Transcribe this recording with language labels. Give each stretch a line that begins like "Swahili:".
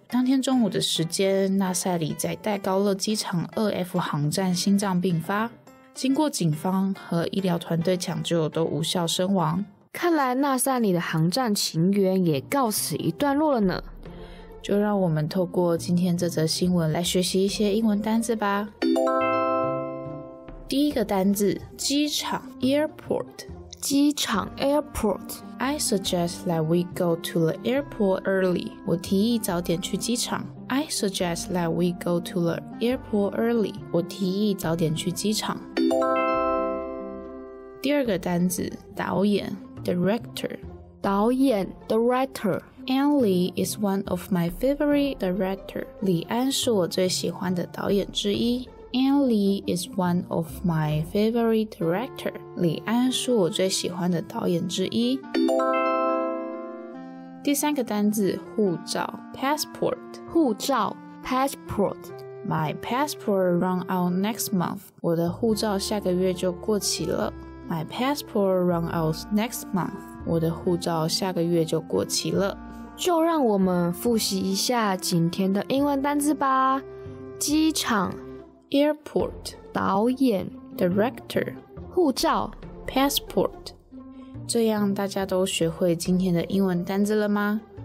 Chinese: 当天中午的时间，纳赛里在戴高乐机场 2F 航站心脏病发，经过警方和医疗团队抢救都无效身亡。看来纳赛里的航站情缘也告此一段落了呢。就让我们透过今天这则新闻来学习一些英文单字吧。第一个单字，机场 airport。机场 airport。
English: I suggest that we go to the airport early.
Chinese: 我提议早点去机场。
English: I suggest that we go to the airport early.
Chinese: 我提议早点去机场。第二个单字，导演 director。导演 director。
English: Ann Lee is one of my favorite director.
Chinese: 李安是我最喜欢的导演之一。
English: Ann Lee is one of my favorite director.
Chinese: 李安是我最喜欢的导演之一。第三个单字，护照 passport。护照 passport。
English: My passport run out next month.
Chinese: 我的护照下个月就过期了。
English: My passport run out next month.
Chinese: 我的护照下个月就过期了。就让我们复习一下今天的英文单字吧。机场
English: Airport
Chinese: 导演
English: Director
Chinese: 护照 Passport 这样大家都学会今天的英文单字了吗？